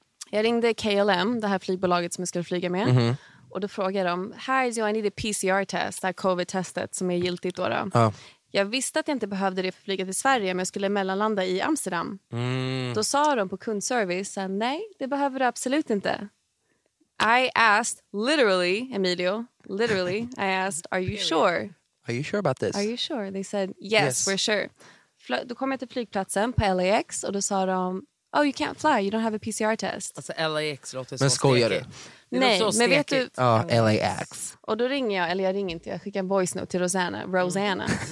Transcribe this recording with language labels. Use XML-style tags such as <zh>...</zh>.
<sv>Jag ringde KLM, det här flygbolaget som jag skulle flyga med. Mm-hmm. Och då frågade de, här är jag,</sv> <en>I need a PCR-test,</en> <sv>det här covid-testet som är giltigt då. Jag visste att jag inte behövde det för att flyga till Sverige, men jag skulle mellanlanda i Amsterdam. Mm. Då sa de på kundservice, nej, det behöver du absolut inte.</sv> <en>I asked, literally, Emilio, literally, I asked, are you sure? Are you sure about this? Are you sure? They said, yes, we're sure.</en> <sv>Då kom jag till flygplatsen på LAX och då sa de,</sv> <en>oh, you can't fly, you don't have a PCR-test.</en> <sv>Alltså LAX låter så stekigt. Nej, men vet du...</sv> <en>Oh, LAX.</en> <sv>Och då ringer jag, eller jag ringer inte, jag skickar en voice note till Rosanna. Mm.</sv>